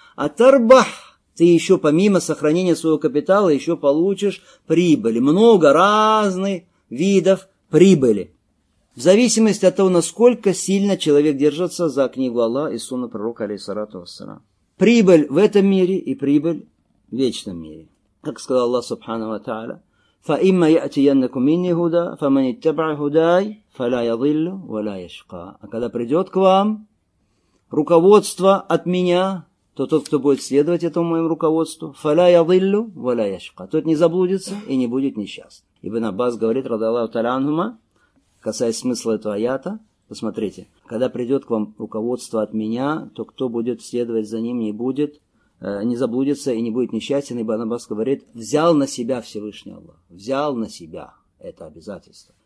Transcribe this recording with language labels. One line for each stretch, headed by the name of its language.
Russian: А тарбах, ты еще помимо сохранения своего капитала, еще получишь прибыль. Много разных видов прибыли. В зависимости от того, насколько сильно человек держится за книгу Аллаха и сунну пророка, алейхиссалату вассалям. Прибыль в этом мире и прибыль в вечном мире. Как сказал Аллах, субхана ва та'аля,
Arabic: فَإِمَّا يَأْتِيَنَّكُمْ مِنِّي هُدَى فَمَنِ اتَّبْعَ هُدَاي فَلَا يَضِلُّ وَلَا يَشْقَى.
Russian: А когда придет к вам руководство от меня, то тот, кто будет следовать этому моему руководству,
Arabic: فَلَا يَضِلُّ وَلَا يَشْقَى,
Russian: тот не заблудится и не будет несчастным. Ибн Аббас говорит, радиаллаху та'аля анхума, касаясь смысла этого аята, посмотрите, когда придет к вам руководство от меня, то кто будет следовать за ним, не будет, не заблудится и не будет несчастен, ибо Аббас говорит, взял на себя Всевышний Аллах, взял на себя это обязательство.